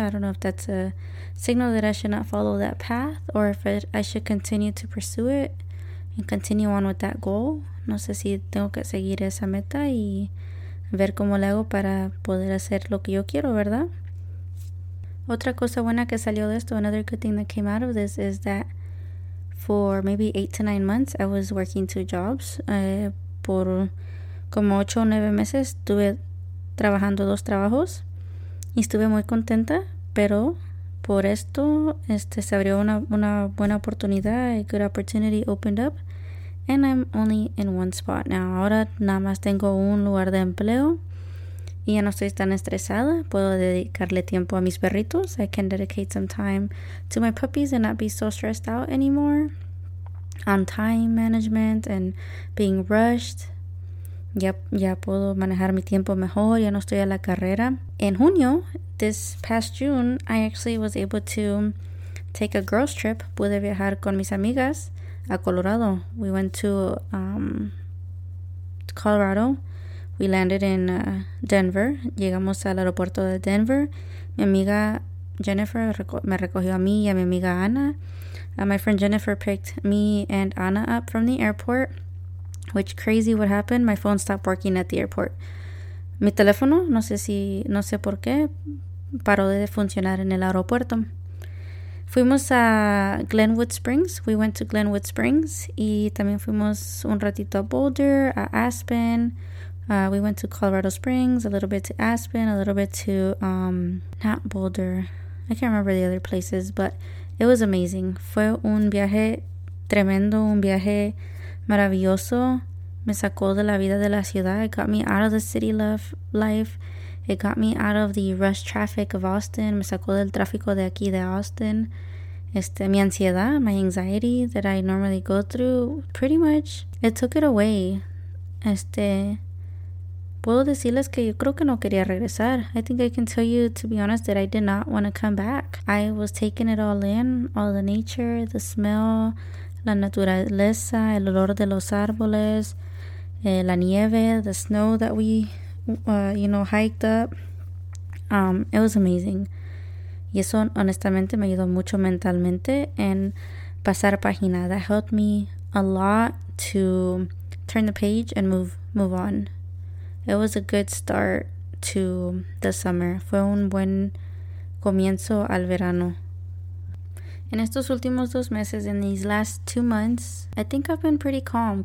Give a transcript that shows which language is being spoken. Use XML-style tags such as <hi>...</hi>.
<en>I don't know if that's a signal that I should not follow that path or if I should continue to pursue it and continue on with that goal.</en> <es>No sé si tengo que seguir esa meta y ver cómo le hago para poder hacer lo que yo quiero, ¿verdad? Otra cosa buena que salió de esto,</es> <en>another good thing that came out of this, is that for maybe 8 to 9 months, I was working 2 jobs.</en> <es>Por como 8 o 9 meses, estuve trabajando 2 trabajos y estuve muy contenta, pero por esto se abrió una buena oportunidad,</es> <en>a good opportunity opened up. And I'm only in 1 spot now.</en> <es>Ahora nada más tengo 1 lugar de empleo. Y ya no estoy tan estresada. Puedo dedicarle tiempo a mis perritos.</es> <en>I can dedicate some time to my puppies and not be so stressed out anymore. On time management and being rushed.</en> <es>Ya puedo manejar mi tiempo mejor. Ya no estoy a la carrera. En junio,</es> <en>this past June, I actually was able to take a girls trip.</en> <es>Pude viajar con mis amigas a Colorado.</es> <en>We went to Colorado. We landed in Denver.</en> <es>Llegamos al aeropuerto de Denver. Mi amiga Jennifer me recogió a mí y a mi amiga Ana.</es> <en>My friend Jennifer picked me and Ana up from the airport, which crazy what happened. My phone stopped working at the airport.</en> <es>Mi teléfono, no sé por qué, paró de funcionar en el aeropuerto. Fuimos a Glenwood Springs.</es> <en>We went to Glenwood Springs.</en> <es>Y también fuimos un ratito a Boulder, a Aspen.</es> <en>We went to Colorado Springs, a little bit to Aspen, a little bit to, not Boulder. I can't remember the other places, but it was amazing.</en> <es>Fue un viaje tremendo, un viaje maravilloso. Me sacó de la vida de la ciudad.</es> <en>It got me out of the city life. It got me out of the rush traffic of Austin.</en> <es>Me sacó del tráfico de aquí de Austin. Mi ansiedad,</es> <en>my anxiety that I normally go through, pretty much, it took it away.</en> <es>Puedo decirles que yo creo que no quería regresar.</es> <en>I think I can tell you, to be honest, that I did not want to come back. I was taking it all in, all the nature, the smell,</en> <es>la naturaleza, el olor de los árboles, la nieve,</es> <en>the snow that we hiked up. It was amazing.</en> <es>Y eso honestamente me ayudó mucho mentalmente en pasar página.</es> <en>That helped me a lot to turn the page and move on. It was a good start to the summer.</en> <es>Fue un buen comienzo al verano. En estos últimos dos meses,</es> <en>in these last 2 months, I think I've been pretty calm.</en>